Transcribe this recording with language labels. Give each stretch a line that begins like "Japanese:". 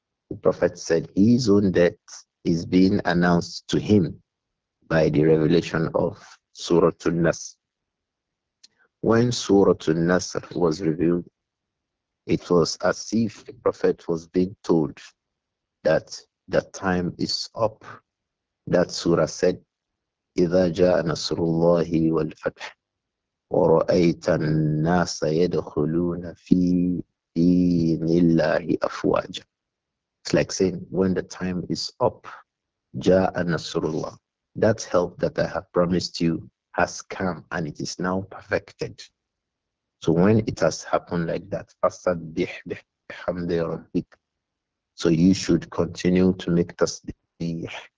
English: The Prophet said his own death is being announced to him by the revelation of Suratul Nasr. When Suratul Nasr was revealed, it was as if the Prophet was being told that the time is up. That surah said,
Arabic: إِذَا جَاءَ نَصْرُ اللَّهِ وَالْفَتْحِ وَرَأَيْتَ النَّاسَ يَدْخُلُونَ فِي دِينِ اللَّهِ أَفْوَاجًا.
English: It's like saying, when the time is up,
Arabic: جَاءَ نَصْرُ اللَّهِ,
English: that help that I have promised you has come and it is now perfected. So when it has happened like that,
Arabic: فَصَبِّحْ بِحَمْدِ رَبِّكَ,
English: so you should continue to make tasbih